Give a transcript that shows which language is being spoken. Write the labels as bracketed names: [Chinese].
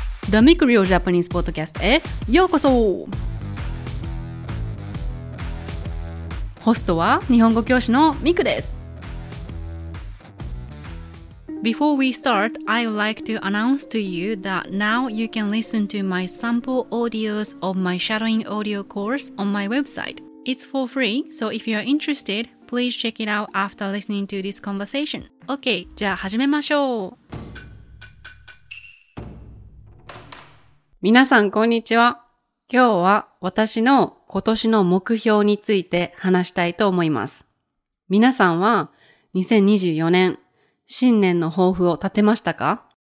[Japanese] The Make Real Japanese Podcast へようこそ。ホストは日本語教師のミクです。 [English] Before we start, I would like to announce to you that now you can listen to my sample audios of my shadowing audio course on my website. It's for free, so if you're interested, please check it out after listening to this conversation. [Japanese] OK, じゃあ始めましょう。皆さんこんにちは。今日は私の今年の目標について話したいと思います。皆さんは2024年新年の抱負を立てましたか？